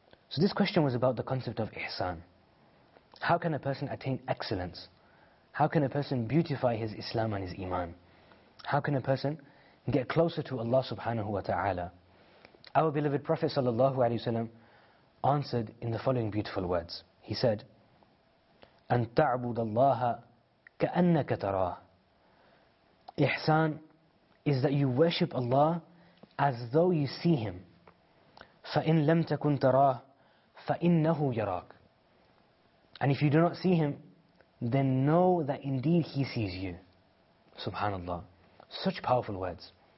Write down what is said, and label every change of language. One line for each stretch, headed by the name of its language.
English: So this question was about the concept of Ihsan. How can a person attain excellence? How can a person beautify his Islam and his Iman? How can a person get closer to Allah subhanahu wa ta'ala? Our beloved Prophet sallallahu alayhi wa sallam answered in the following beautiful words. He said,
Arabic: أَن تَعْبُدَ اللَّهَ كَأَنَّكَ تَرَاهُ.
English: Ihsan is that you worship Allah as though you see Him.
Arabic: فَإِن لَمْ تَكُنْ تَرَاهُ فَإِنَّهُ يَرَاكُ.
English: And if you do not see Him, then know that indeed He sees you. Subhanallah. Such powerful words.